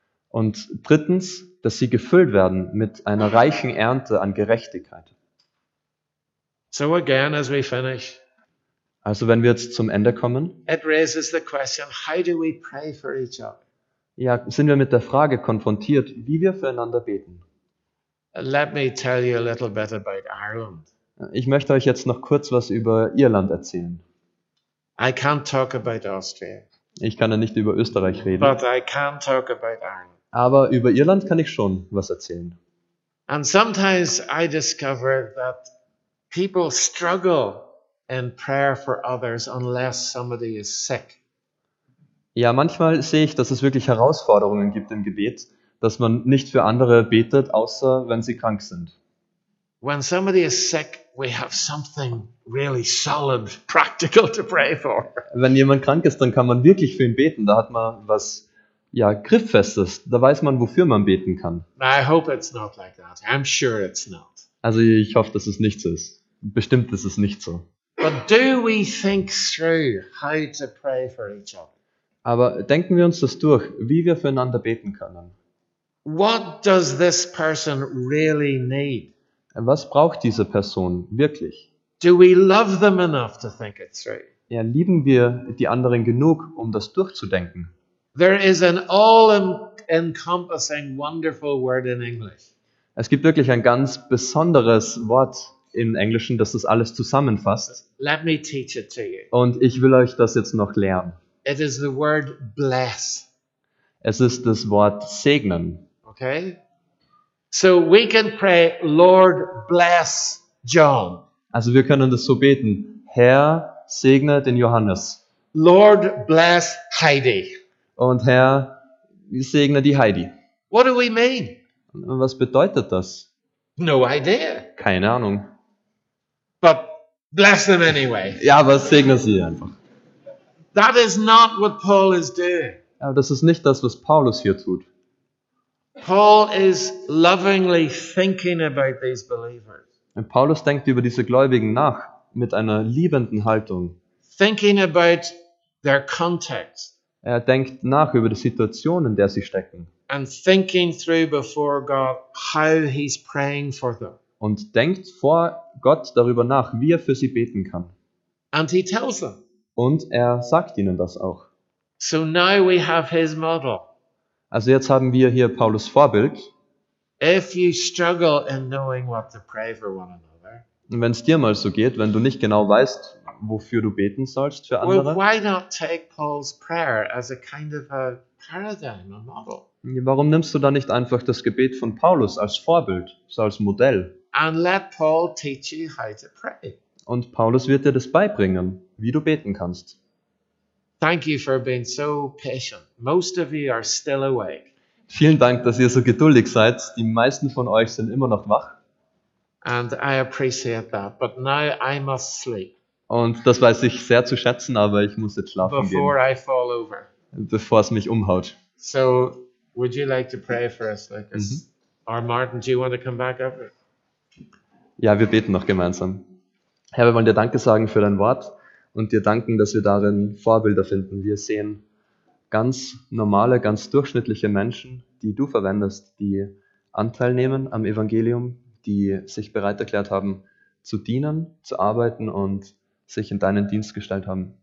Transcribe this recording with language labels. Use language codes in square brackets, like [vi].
[de] Und drittens, dass sie gefüllt werden mit einer reichen Ernte an Gerechtigkeit. [en] So again, as we finish. [de] Also wenn wir jetzt zum Ende kommen, [en] it raises the question, how do we pray for each other? [de] Ja, sind wir mit der Frage konfrontiert, wie wir füreinander beten. [en] Let me tell you a little bit about Ireland. [de] Ich möchte euch jetzt noch kurz was über Irland erzählen. [en] I can't talk about Austria. [de] Ich kann ja nicht über Österreich reden. [en] But I can talk about Ireland. [de] Aber über Irland kann ich schon was erzählen. [en] And sometimes I discover that people struggle in prayer for others unless somebody is sick. [de] Ja, manchmal sehe ich, dass es wirklich Herausforderungen gibt im Gebet, dass man nicht für andere betet, außer wenn sie krank sind. [en] When somebody is sick, we have something really solid, practical to pray for. [de] Wenn jemand krank ist, dann kann man wirklich für ihn beten, da hat man was, ja, Grifffestes, da weiß man, wofür man beten kann. [en] I hope it's not like that. I'm sure it's not. [de] Also ich hoffe, dass es nicht so ist. Bestimmt ist es nicht so. [en] But do we think through how to pray for each other? [de] Aber denken wir uns das durch, wie wir füreinander beten können. [en] What does this person really need? [de] Was braucht diese Person wirklich? [en] Do we love them enough to think it through? [de] Ja, lieben wir die anderen genug, um das durchzudenken? [en] There is an all-encompassing wonderful word in English. [de] Es gibt wirklich ein ganz besonderes Wort im Englischen, das das alles zusammenfasst. [en] Let me teach it to you. [de] Und ich will euch das jetzt noch lehren. [en] It is the word bless. [de] Es ist das Wort segnen. [en] Okay? So we can pray, Lord bless John. [de] Also wir können das so beten. Herr, segne den Johannes. [en] Lord bless Heidi. [de] Und Herr, segne die Heidi. [en] What do we mean? [de] Was bedeutet das? [en] No idea. [de] Keine Ahnung. [en] But bless them anyway. [de] Ja, aber segne sie einfach. [en] That is not what Paul is doing. [de] Aber das ist nicht das, was Paulus hier tut. [en] Paul is lovingly thinking about these believers. [de] Und Paulus denkt über diese Gläubigen nach mit einer liebenden Haltung. [en] Thinking about their context. [de] Er denkt nach über die Situation, in der sie stecken. [en] And thinking through before God how he's praying for them. [de] Und denkt vor Gott darüber nach, wie er für sie beten kann. [en] And he tells them. [de] Und er sagt ihnen das auch. [en] So now we have his model. [de] Also jetzt haben wir hier Paulus Vorbild. [en] If you struggle in knowing what to pray for one another. [de] Wenn es dir mal so geht, wenn du nicht genau weißt, wofür du beten sollst für andere. [en] Well, why not take Paul's prayer as a kind of a paradigm, a model? [de] Warum nimmst du da nicht einfach das Gebet von Paulus als Vorbild, so als Modell? [en] And let Paul teach you how to pray. [de] Und Paulus wird dir das beibringen, wie du beten kannst. [en] Thank you for being so patient. Most of you are still awake. [de] Vielen Dank, dass ihr so geduldig seid. Die meisten von euch sind immer noch wach. [en] And I appreciate that, but now I must sleep. [de] Und das weiß ich sehr zu schätzen, aber ich muss jetzt schlafen gehen. [en] Before I fall over. [de] Bevor es mich umhaut. [en] So, would you like to pray for us, like this? Mm-hmm. Or Martin, do you want to come back over? [de] Ja, wir beten noch gemeinsam. Herr, wir wollen dir Danke sagen für dein Wort und dir danken, dass wir darin Vorbilder finden. Wir sehen ganz normale, ganz durchschnittliche Menschen, die du verwendest, die Anteil nehmen am Evangelium, die sich bereit erklärt haben, zu dienen, zu arbeiten und sich in deinen Dienst gestellt haben.